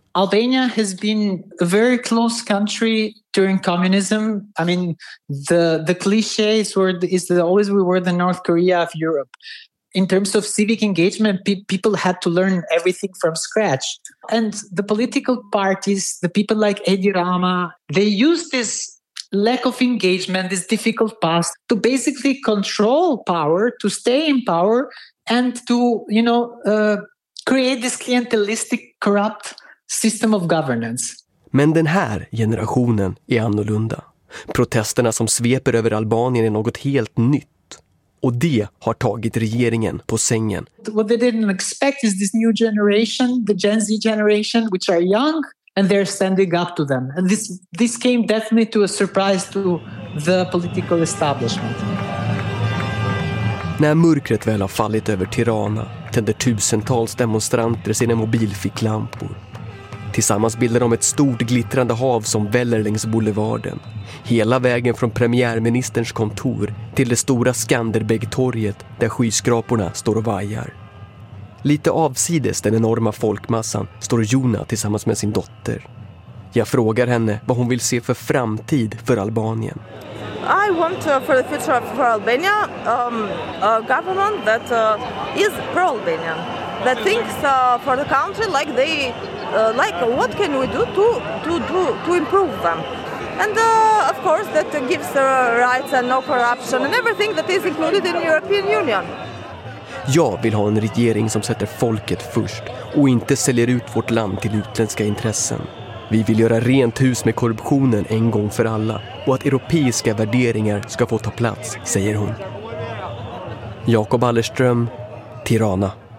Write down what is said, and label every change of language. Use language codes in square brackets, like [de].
[en] Albania has been a very close country during communism. I mean, the clichés were is that always we were the North Korea of Europe. In terms of civic engagement, people had to learn everything from scratch. And the political parties, the people like Edi Rama, they used this lack of engagement, this difficult past, to basically control power, to stay in power, and to, you know, create this clientelistic, corrupt system of governance. [sv] Men den här generationen är annorlunda. Protesterna som sveper över Albanien är något helt nytt. Och det har tagit regeringen på sängen. [en] What they didn't expect is this new generation, the Gen Z generation, which are young, and they're standing up to them. And this came definitely to a surprise to the political establishment. [sv] När mörkret väl har fallit över Tirana tänder tusentals demonstranter sina mobilficklampor. Tillsammans bildar de ett stort glittrande hav som väller längs boulevarden. Hela vägen från premiärministerns kontor till det stora Skanderbegtorget där skyskraporna står och vajar. Lite avsides den enorma folkmassan står Jona tillsammans med sin dotter. Jag frågar henne vad hon vill se för framtid för Albanien. [en] I want for the future of for Albania a government that is pro Albanian, that thinks for the country like they like what can we do to improve them, and of course that gives the rights and no corruption and everything that is included in the European Union. [sv] Jag vill ha en regering som sätter folket först och inte säljer ut vårt land till utländska intressen. Vi vill göra rent hus med korruptionen en gång för alla och att europeiska värderingar ska få ta plats, säger hon. Jakob Allerström, Tirana.